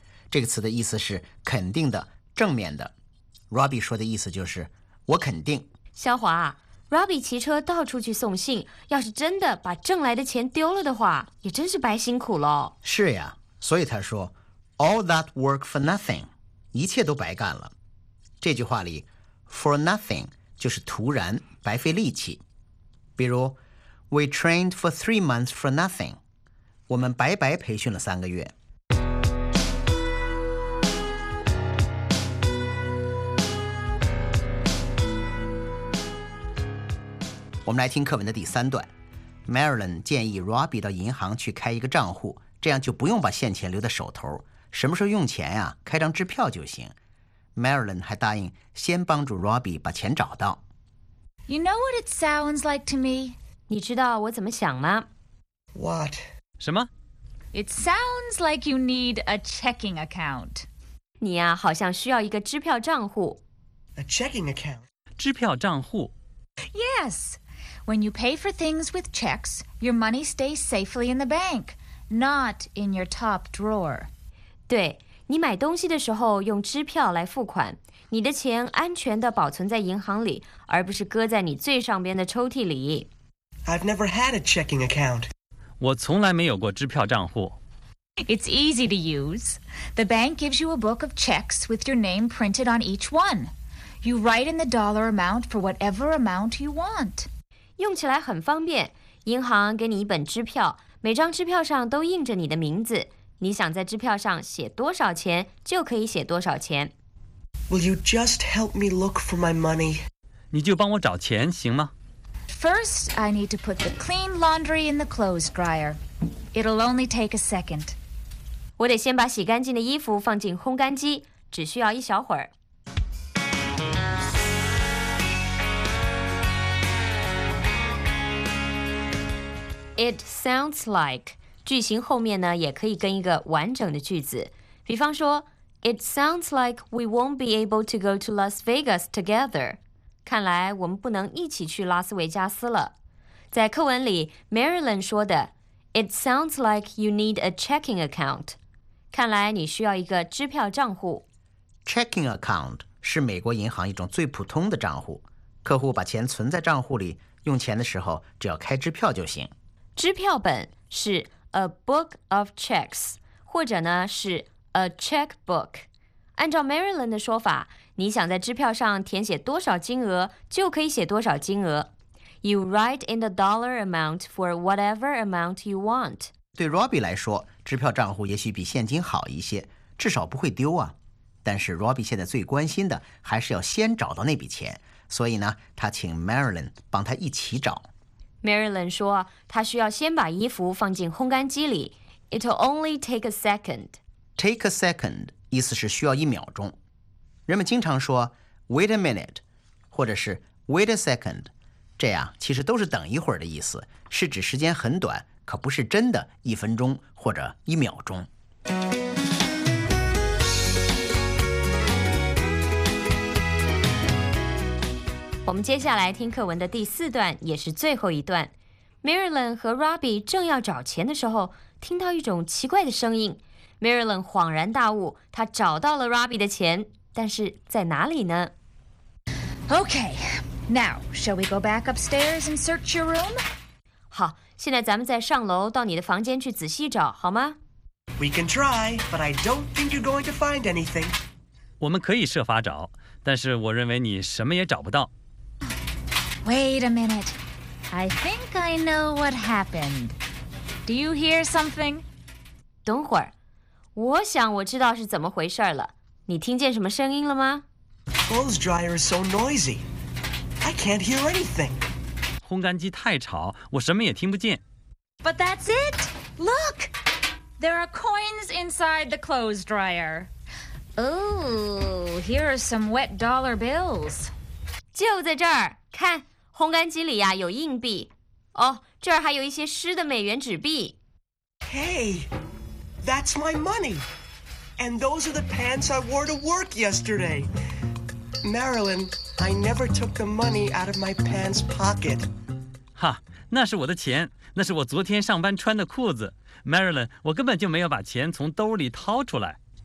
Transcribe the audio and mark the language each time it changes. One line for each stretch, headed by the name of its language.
Chinese: 这个词的意思是肯定的，正面的。Robbie 说的意思就是我肯定。肖华， Robbie 骑车到处去送信，要是真的把挣来的钱丢了的话，也真是白辛苦了。是呀，所以他说
English: All that work for nothing.
Chinese: 一切都白干了。这句话里
English: for nothing
Chinese: 就是徒然白费力气，比如
English: we trained for 3 months for nothing，
Chinese: 我们白白培训了3个月。我们来听课文的第三段。Marilyn 建议 Robbie 到银行去开一个账户，这样就不用把现钱留在手头，什么时候用钱啊，开张支票就行。 Marilyn 还答应先帮助 Robbie 把钱找到。
English: You know what it sounds like to me?
Chinese: 你知道我怎么想吗？
English: What?
Chinese: 什么？
English: It sounds like you need a checking account.
Chinese: 你呀，好像需要一个支票账户。
English: A checking account?
Chinese: 支票账户。
English: Yes. When you pay for things with checks, your money stays safely in the bank, not in your top drawer.
Chinese: 对。你买东西的时候用支票来付款，你的钱安全地保存在银行里，而不是搁在你最上边的抽屉里。
English: I've never had a checking account.
Chinese: 我从来没有过支票账户。
English: It's easy to use. The bank gives you a book of checks with your name printed on each one. You write in the dollar amount for whatever amount you want.
Chinese: 用起来很方便，银行给你一本支票，每张支票上都印着你的名字。你想在支票上写多少钱就可以写多少钱。
English: Will you just help me look for my money?
Chinese: 你就帮我找钱行吗？
English: First, I need to put the clean laundry in the clothes dryer. It'll only take a second.
Chinese: 我得先把洗干净的衣服放进烘干机，只需要一小会儿。
English: It sounds like
Chinese: 句型后面呢也可以跟一个完整的句子。比方说
English: It sounds like we won't be able to go to Las Vegas together.
Chinese: 看来我们不能一起去拉斯维加斯了。在课文里 Marilyn 说的
English: It sounds like you need a checking account.
Chinese: 看来你需要一个支票账户。 Checking account 是美国银行一种最普通的账户。客户把钱存在账户里用钱的时候只要开支票就行。支票本是
English: a book of checks,
Chinese: 或者呢是
English: a checkbook。
Chinese: 按照 Marilyn 的说法你想在支票上填写多少金额就可以写多少金额。
English: You write in the dollar amount for whatever amount you want.
Chinese: 对 Robbie 来说支票账户也许比现金好一些至少不会丢啊。但是 Robbie 现在最关心的还是要先找到那笔钱。所以呢他请 Marilyn 帮他一起找。 Marilyn 说他需要先把衣服放进烘干机里。
English: It'll only take a second. Take a second,
Chinese: 意思是需要一秒钟。人们经常说
English: wait a minute,
Chinese: 或者是
English: wait a second,
Chinese: 这样其实都是等一会儿的意思是指时间很短可不是真的一分钟或者一秒钟。我们接下来听课文的第四段也是最后一段 Marilyn 和 Robbie 正要找钱的时候听到一种奇怪的声音 Marilyn 恍然大悟她找到了 Robbie 的钱但是在哪里呢
English: Okay, now shall we go back upstairs and search your room?
Chinese: 好现在咱们再上楼到你的房间去仔细找好吗
English: We can try, but I don't think you're going to find anything
Chinese: 我们可以设法找但是我认为你什么也找不到
English: Wait a minute. I think I know what happened. Do you hear something?
Chinese: 等会儿，我想我知道是怎么回事了。你听见什么声音了吗？
English: The clothes dryer is so noisy. I can't hear anything.
Chinese: 烘干机太吵，我什么也听不见。
English: But that's it. Look, there are coins inside the clothes dryer. Oh, here are some wet dollar bills.
Chinese: 就在这儿看烘干机里呀、啊、有硬币哦这儿还有一些湿的美元纸币
English: Hey, that's my money And those are the pants I wore to work yesterday Marilyn, I never took the money out of my pants pocket
Chinese: 哈那是我的钱那是我昨天上班穿的裤子 Marilyn, 我根本就没有把钱从兜里掏出来